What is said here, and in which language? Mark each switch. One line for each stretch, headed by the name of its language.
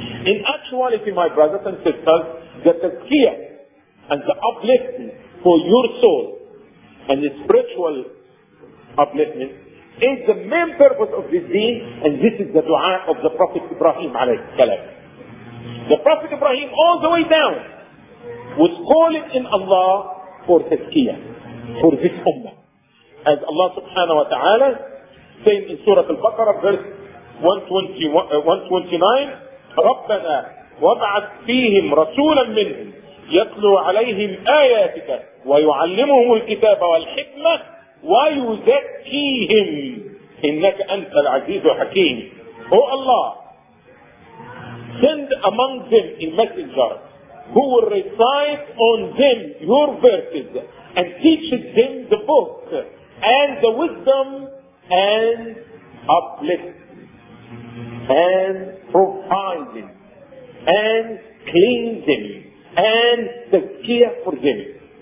English: In actuality, my brothers and sisters, the tazkiyah and the upliftment for your soul and the spiritual upliftment is the main purpose of this deen, and this is the dua of the Prophet Ibrahim alayhi salam. The Prophet Ibrahim all the way down was calling in Allah for tazkiyah, for this ummah. As Allah subhanahu wa ta'ala saying in Surah Al-Baqarah verse 129,
Arabic: ربنا وابعث فيهم رسولا منهم يتلو عليهم آياتك ويعلمهم الكتاب والحكمة ويزكيهم إنك أنت العزيز الحكيم.
English: O Allah, send among them a messenger who will recite on them your verses and teach them the book and the wisdom and uplift and profiling and cleansing and the care for them.